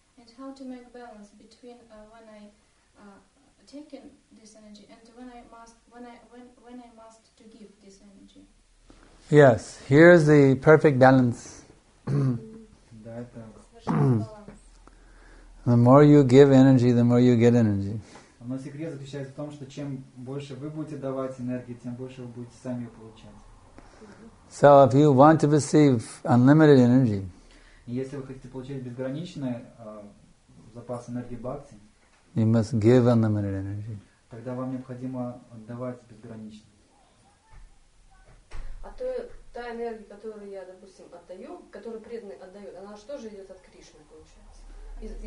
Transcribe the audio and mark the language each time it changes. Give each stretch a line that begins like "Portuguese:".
English: And how to make balance between when I take in this energy and when I must to give this energy? Yes. Here is the perfect balance. The more you give energy, the more you get energy.
Russian: Но секрет заключается в том, что чем больше вы будете давать энергии, тем больше вы будете сами ее получать.
English: So if you want to receive unlimited energy,
Russian: если вы хотите получать безграничный запас энергии бхакти,
English: you must give unlimited energy.
Russian: Тогда вам необходимо отдавать безгранично. А то та энергия, которую я, допустим, отдаю, которую преданный отдает, она же тоже идет от Кришны, получается.